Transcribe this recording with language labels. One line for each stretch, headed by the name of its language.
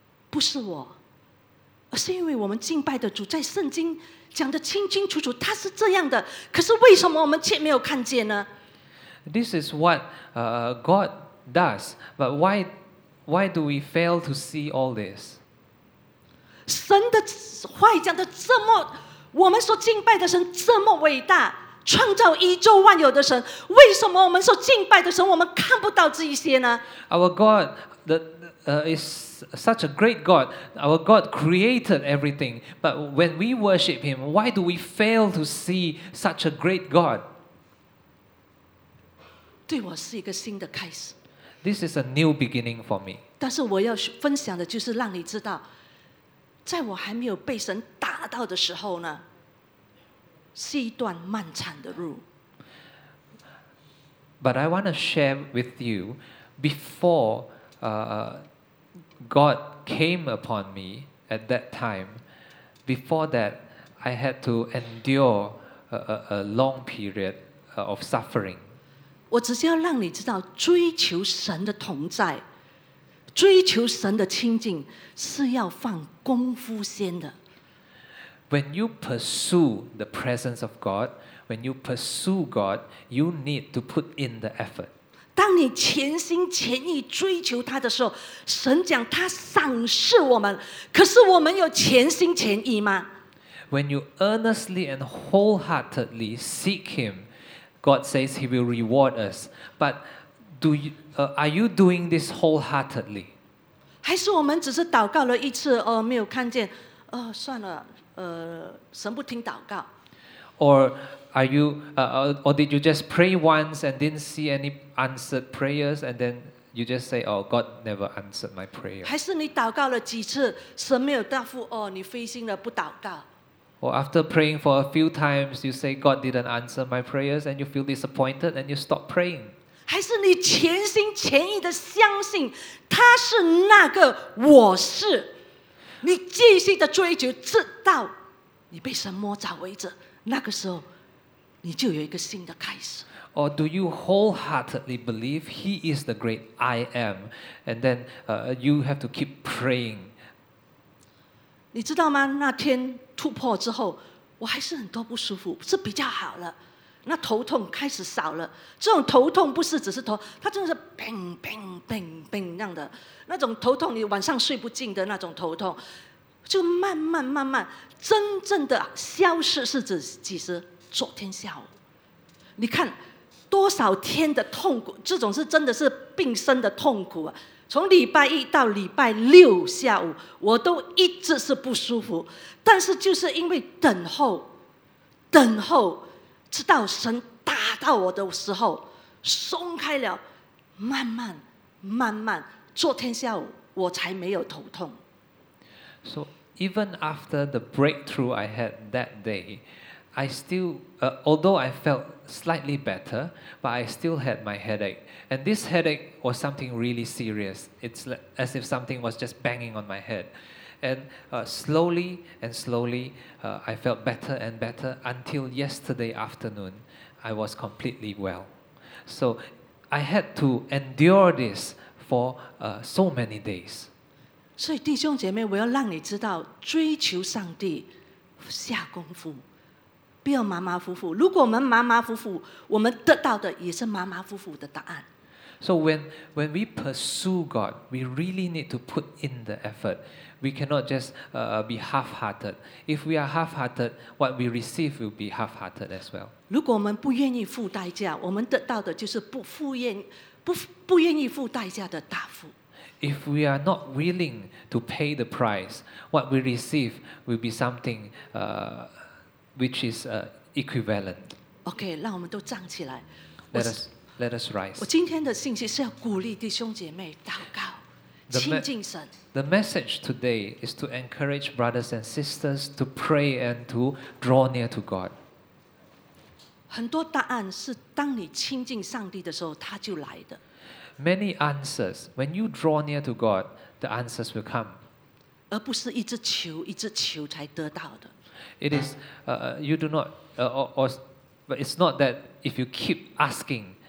Chinese: 不是我，而是因为我们敬拜的主在圣经讲的清清楚楚，他是这样的。可是为什么我们却没有看见呢？
English: This is what God does, but why do we fail to see all this?
Chinese: 神的话讲的这么，我们所敬拜的神这么伟大。创造宇宙万有的神，为什么我们所敬拜的神，我们看不到这一些呢？
English: Our God, is such a great God. Our God created everything, but when we worship Him, why do we fail to see such a great God?
Chinese: 对我是一个新的开始。
English: This is a new beginning for me.
Chinese: 但是我要分享的就是让你知道，在我还没有被神打到的时候呢。是一段漫长的路。
English: But I want to share with you, before God came upon me at that time, before that, I had to endure a long period of suffering.
Chinese: 我只是要让你知道，追求神的同在，追求神的亲近，是要放功夫先的。
English: When you pursue the presence of God, when you pursue God, you need to put in the effort.
Chinese: 当你全心全意追求他的时候，神讲他赏赐我们，可是我们有全心全意吗？
English: When you earnestly and wholeheartedly seek Him, God says He will reward us. But are you doing this wholeheartedly?
Chinese: 还是我们只是祷告了一次，没有看见，算了。神不听祷告。
English: Or are you, or did you just pray once and didn't see any answered prayers, and then you just say, "Oh, God never answered my prayer."
Chinese: 还是你祷告了几次，神没有答复，哦，你灰心了，不祷告。
English: Or after praying for a few times, you say God didn't answer my prayers, and you feel disappointed, and you stop praying.
Chinese: 还是你全心全意的相信他是那个我是。你继续的追求，直到你被神摸着为止。那个时候，你就有一个新的开始。
English: Or do you wholeheartedly believe He is the great I am, and then you have to keep praying?
Chinese: 你知道吗？那天突破之后，我还是很多不舒服，是比较好了。那头痛开始少了。这种头痛不是只是头，它真的是砰砰砰砰那样的。那种头痛，你晚上睡不进的那种头痛，就慢慢慢慢真正的消失，是指几时？昨天下午。你看多少天的痛苦，这种是真的是病身的痛苦啊！从礼拜一到礼拜六下午，我都一直是不舒服，但是就是因为等候，等候，直到神打到我的时候，松开了，慢慢，慢慢。昨天下午我才没有头痛。
English: So even after the breakthrough I had that day, I still, although I felt slightly better, but I still had my headache. And this headache was something really serious. It's as if something was just banging on my head. And slowly and slowly, I felt better and better until yesterday afternoon, I was completely well. So I had to endure this. For so many days.
Chinese: 所以弟兄姐妹，我要让你知道，追求上帝下功夫，不要马马虎虎。如果我们马马虎虎，我们得到的也是马马虎虎的答案。
English: So when we pursue God, we really need to put in the effort. We cannot just be half-hearted. If we are half-hearted, what we receive will be half-hearted as well.
Chinese: 如果我们不愿意付代价，我们得到的就是不愿意付代价的答复。
English: If we are not willing to pay the price, what we receive will be something which is equivalent.
Chinese: Okay, 让我们都站起来。
English: Let us rise.
Chinese: 我今天的信息是要鼓励弟兄姐妹祷告，亲近神。
English: The message today is to encourage brothers and sisters to pray and to draw near to God.
Chinese: 很多答案是当你亲近上帝的时候，他就来的。
English: Many answers, when you draw near to God, the answers will come.
Chinese: 而不是一直求，一直求才得到的。
English: It is you do not or but it's not that if you keep asking.